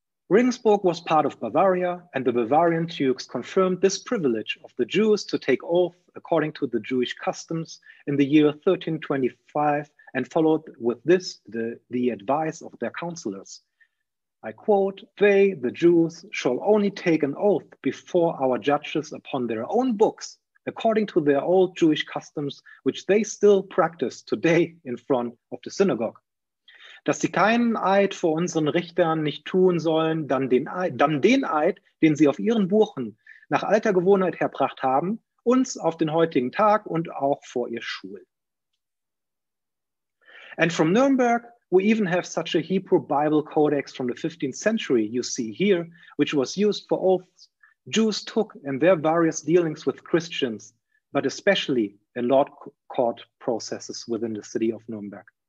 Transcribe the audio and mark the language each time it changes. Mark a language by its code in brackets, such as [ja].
[en] Regensburg was part of Bavaria, and the Bavarian dukes confirmed this privilege of the Jews to take oath according to the Jewish customs in the year 1325, and followed with this the advice of their counselors. I quote, "They, the Jews, shall only take an oath before our judges upon their own books, according to their old Jewish customs, which they still practice today in front of the synagogue. [de] Dass sie keinen Eid vor unseren Richtern nicht tun sollen, dann den Eid, den sie auf ihren Buchen nach alter Gewohnheit herbracht haben, uns auf den heutigen Tag und auch vor ihr Schul." [en] And from Nuremberg, we even have such a Hebrew Bible codex from the 15th century you see here, which was used for oaths Jews took in their various dealings with Christians, but especially in law court processes within the city of Nuremberg.